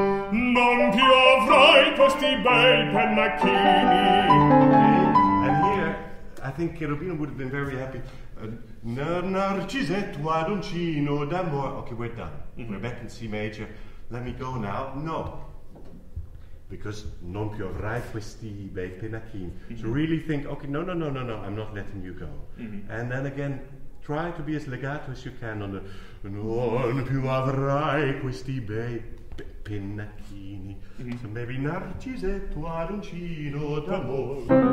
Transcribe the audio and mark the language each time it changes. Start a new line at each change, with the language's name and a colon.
Italian: Non più avrai questi bei pennacchini.
English: And here, I think Cherubino would have been very happy.
Italian: Narcisetto ad uncino d'amore.
English: Okay, we're done. Mm-hmm. We're back in C major. Let me go now. No. Because
Italian: non più avrai questi bei pennacchini.
English: So really think, okay, no, I'm not letting you go. Mm-hmm. And then again, try to be as legato as you can on the
Italian: non più avrai questi bei pennacchini. Mm-hmm.
English: So maybe
Italian: narcisetto ad uncino d'amore.